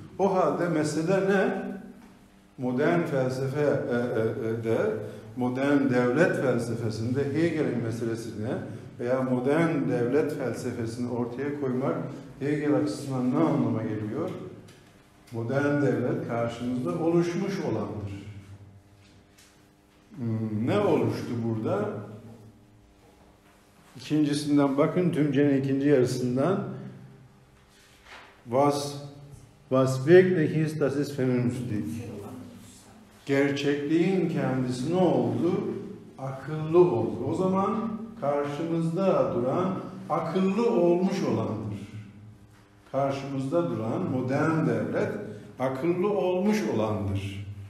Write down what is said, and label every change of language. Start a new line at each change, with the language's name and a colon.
Turkish: O halde mesele ne? Modern felsefe de, modern devlet felsefesinde Hegel'in meselesine veya modern devlet felsefesini ortaya koymak Hegel açısından ne anlama geliyor? Modern devlet karşımızda oluşmuş olandır. Ne oluştu burada? İkincisinden bakın, tümcenin ikinci yarısından.
German: Was wirklich ist, das ist vernünftig.
Turkish: Gerçekliğin kendisi ne oldu? Akıllı oldu. O zaman karşımızda duran akıllı olmuş olandır. Karşımızda duran modern devlet akıllı olmuş olandır.